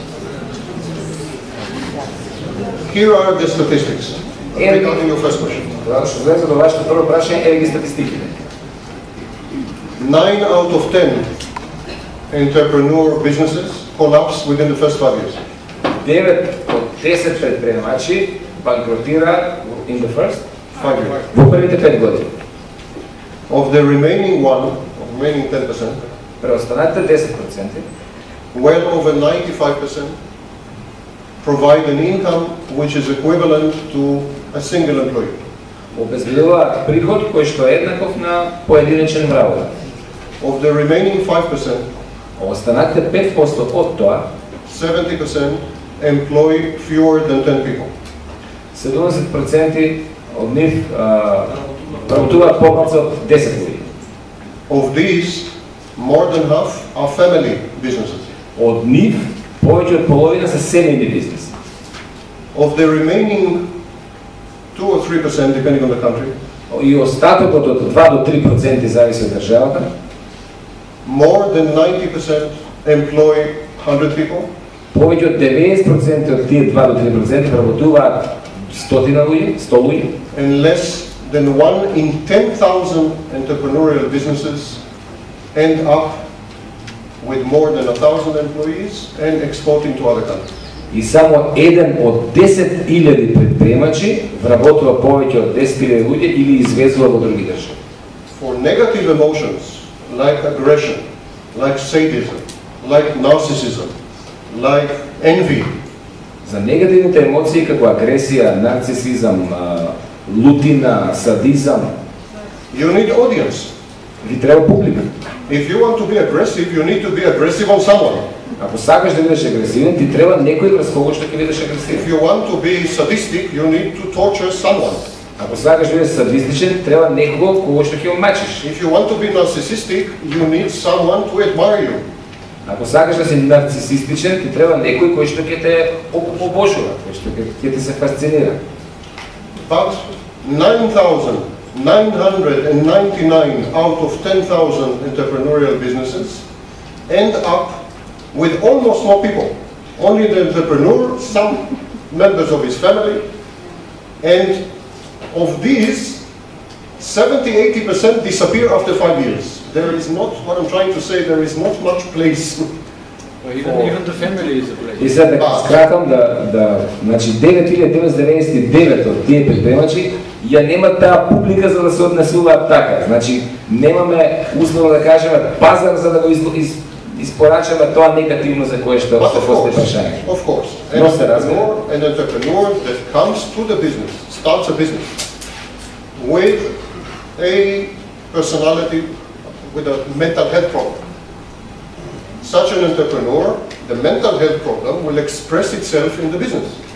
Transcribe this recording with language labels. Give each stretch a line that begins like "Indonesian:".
English: Here are the statistics. Regarding your first question.
Macedonian: Што знаете до вашето прво прашање е ги статистиките.
English: 9 out of 10 entrepreneur businesses collapse within the first 5 years.
Macedonian: 9 од 10 предприемачи банкротира
English: in the first 5 years.
Macedonian: Во првите 5 години.
English: Of the remaining one, of remaining 10%,
Macedonian: преостанатите 10%,
English: well over 95% provide an income which is equivalent to a single employee.
Macedonian: Обезбедуваат приход кој што е еднаков на поединечен работник.
English: Of the remaining 5%,
Macedonian: останатите 5% од тоа,
English: 70% employ fewer than 10 people.
Macedonian: 70% од нив работуваат повеќе од 10 луѓе.
English: Of these, more than half are family businesses.
Macedonian: Од нив повеќе од половина се семејни бизнеси.
English: Of the remaining 2 or 3% depending on the country.
Macedonian: И остатокот од 2 до 3% зависи од државата.
English: More than 90% employ 100 people.
Macedonian: Повеќе од 90% од тие 2 до 3% работуваат 100 луѓе, 100 луѓе.
English: And less than 1 in 10,000 entrepreneurial businesses end up with more than 1,000 employees and exporting to other countries.
Macedonian: И само еден од 10.000 предприемачи вработува повеќе од 10.000 луѓе или извезува во други држави.
English: For negative emotions like aggression, like sadism, like narcissism, like envy.
Macedonian: За негативните емоции како агресија, нарцисизам, лутина, садизам.
English: You need audience.
Macedonian: Ви треба публика.
English: If you want to be aggressive, you need to be aggressive on someone.
Macedonian: Ако сакаш да бидеш агресивен, ти треба некој врз кого што ќе бидеш агресивен.
English: If you want to be sadistic, you need to torture someone.
Macedonian: Ако сакаш да бидеш садистичен, треба некого кого што ќе го мачиш.
English: If you want to be narcissistic, you need someone to admire you.
Macedonian: Ако сакаш да си нарцисистичен, ти треба некој кој што ќе те обожува, кој што ќе те се фасцинира.
English: But 9,999 out of 10,000 entrepreneurial businesses end up with almost no people, only the entrepreneur, some members of his family, and of these, 70-80% disappear after 5 years. There is not, what I'm trying to say, there is not much place. Even the family is a place.
Macedonian: И сега да скратам, значи 9999 од тие предприемачи ја нема таа публика за да се однесуваат така. Значи, немаме условно да кажеме пазар за да го испорачаме тоа негативно за кое што се после прашање.
English: Of course.
Macedonian: Но се разговор
English: an entrepreneur that comes to the business, starts a business with a personality with a mental health problem. Such an entrepreneur, the mental health problem will express itself in the business.